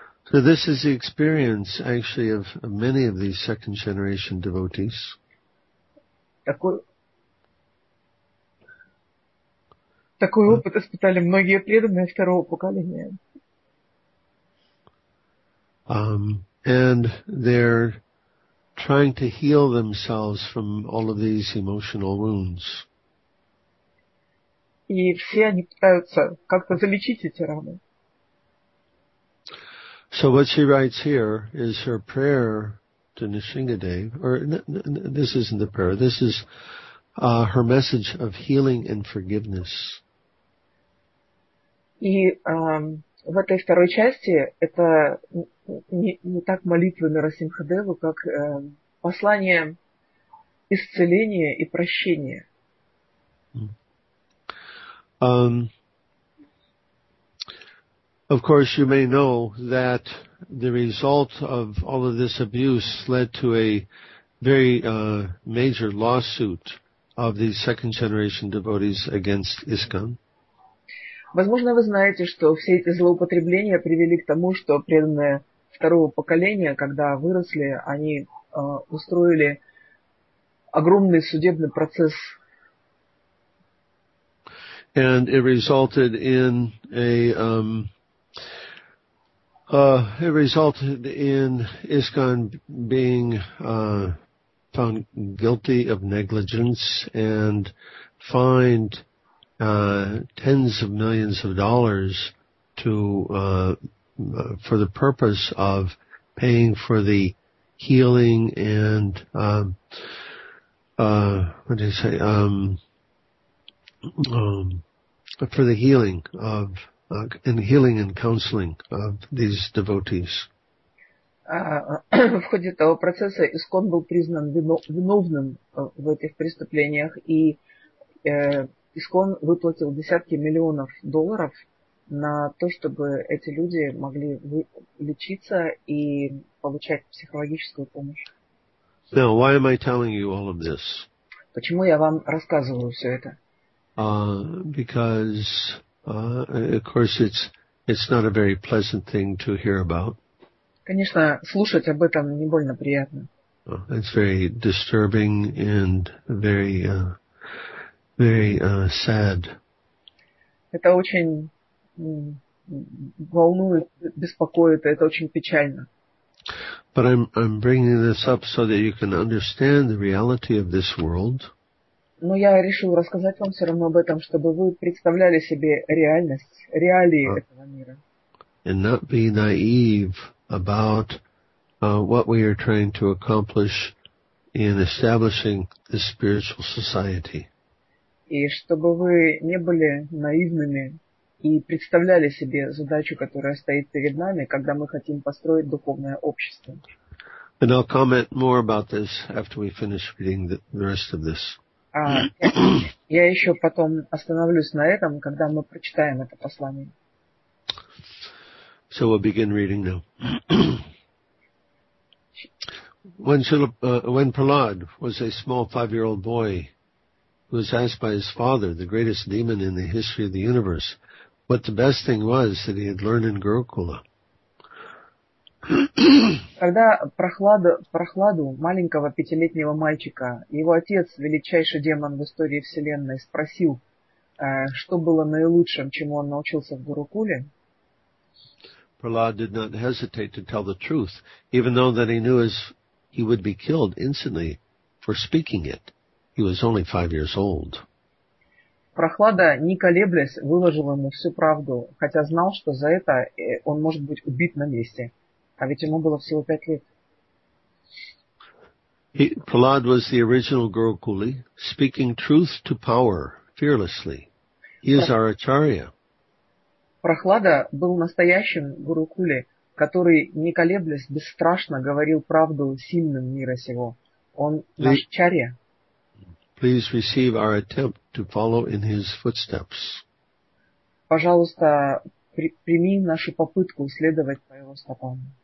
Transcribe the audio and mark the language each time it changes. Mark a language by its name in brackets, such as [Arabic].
[English] So this is the experience actually of many of these second generation devotees. [Russian] Такой опыт испытали многие преданные второго поколения. [English] And they're trying to heal themselves from all of these emotional wounds. [Russian] И все они пытаются как-то залечить эти раны. [English] So what she writes here is her prayer to Nrisingadev, or this isn't the prayer, this is her message of healing and forgiveness. [Russian] И в этой второй части это не так молитвы Нарасимхадеву, как послание исцеления и прощения. [English] Of course, you may know that the result of all of this abuse led to a very major lawsuit of the second generation devotees against ISKCON. [Russian] Возможно, вы знаете, что все эти злоупотребления привели к тому, что преданные второго поколения, когда выросли, они устроили огромный судебный процесс. [English] And it resulted in ISKCON being found guilty of negligence and fined tens of millions of dollars for the purpose of paying for the healing and for the healing of and healing and counseling of these devotees. [Russian] В ходе того процесса ИСКОН был признан виновным в этих преступлениях и ИСКОН выплатил десятки миллионов долларов на то, чтобы эти люди могли лечиться и получать психологическую помощь. [English] Now, why am I telling you all of this? [Russian] Почему я вам рассказываю все это? [English] Because, of course, it's not a very pleasant thing to hear about. [Russian] Конечно, слушать об этом не больно приятно. [English] It's very disturbing and very sad. [Russian] Это очень волнует, беспокоит, это очень печально. [English] But I'm bringing this up so that you can understand the reality of this world. [Russian] Но я решил рассказать вам все равно об этом, чтобы вы представляли себе реальность, реалии этого мира. [English] And not be naive about what we are trying to accomplish in establishing this spiritual society. [Russian] И чтобы вы не были наивными и представляли себе задачу, которая стоит перед нами, когда мы хотим построить духовное общество. [English] And I'll comment more about this after we finish reading the rest of this. [Russian] Я еще потом остановлюсь на этом, когда мы прочитаем это послание. [English] So we'll begin reading now. When Prahlad was a small five-year-old boy, he was asked by his father, the greatest demon in the history of the universe, what the best thing was that he had learned in Gurukula. [Russian] Когда Прохладу, маленького пятилетнего мальчика, его отец, величайший демон в истории Вселенной, спросил, что было наилучшим, чему он научился в Гурукуле, [English] Prahlad did not hesitate to tell the truth, even though that he knew he would be killed instantly for speaking it. He was only 5 years old. [Russian] Прохлада, не колеблясь, выложил ему всю правду, хотя знал, что за это он может быть убит на месте. А ведь ему было всего 5 лет. [English] Prahlad was the original Gurukuli, speaking truth to power fearlessly. He is our Acharya. [Russian] Прохлада был настоящим Гурукули, который, не колеблясь, бесстрашно говорил правду сильным мира сего. Он наш Чарья. [English] Please receive our attempt to follow in his footsteps. [Russian] Пожалуйста, прими нашу попытку следовать по его стопам.